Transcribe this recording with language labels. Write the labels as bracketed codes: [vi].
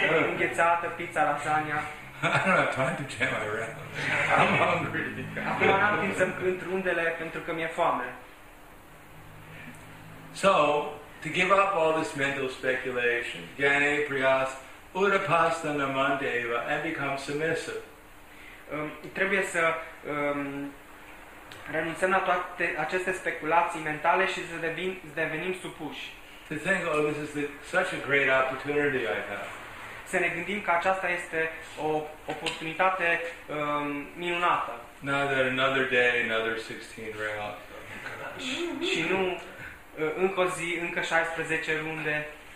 [ro] Înghețată, pizza, lasagna. [en] I don't have time to jam my rounds. I'm hungry. [ro] Acum n-am timp să-mi cânt rundele pentru că mi-e foame. [en] So, to give up all this mental speculation, [sa] Gane Priyas, Udapasta Namandeva, [en] and become submissive. [ro] Trebuie să renunțăm la toate aceste speculații mentale și să devenim supuși. [en] To think, oh, this is such a great opportunity I have. [ro] Să ne gândim că aceasta este o oportunitate minunată. [en] Now that another day, another 16 rounds. [ro] Și nu încă o zi, încă 16 runde.